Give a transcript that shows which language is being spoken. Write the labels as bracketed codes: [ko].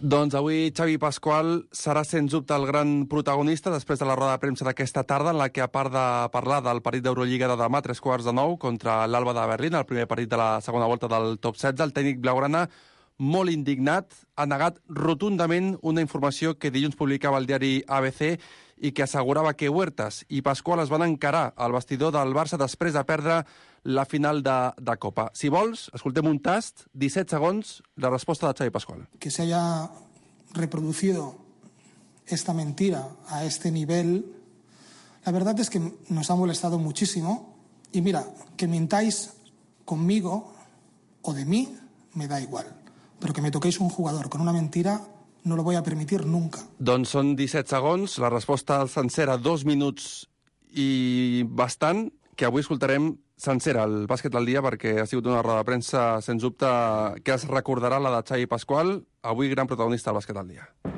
[ca] Doncs avui Xavi Pascual serà, sens dubte, el gran protagonista després de la roda de premsa d'aquesta tarda, en la que, a part de parlar del partit d'Eurolliga de demà, 3:15 contra l'Alba de Berlín, el primer partit de la segona volta del top 16, el tècnic blaugrana, molt indignat, ha negat rotundament una informació que dilluns publicava el diari ABC i que assegurava que Huertas i Pascual es van encarar al vestidor del Barça després de perdre la final de Copa. Si vols, escoltem un tast, 17 segons, la resposta de Xavi Pascual. [es] Que se haya reproducido esta mentira a este nivel, la verdad es que nos ha molestado muchísimo. Y mira, que mintáis conmigo o de mí, me da igual. Pero que me toquéis un jugador con una mentira, no lo voy a permitir nunca. [ca] Doncs són 17 segons, la resposta sencera, 2 minuts i bastant, que avui escoltarem sencera el Bàsquet del Dia, perquè ha sigut una roda de premsa, sens dubte, que es recordarà la de Xavi Pascual, avui gran protagonista del Bàsquet del Dia.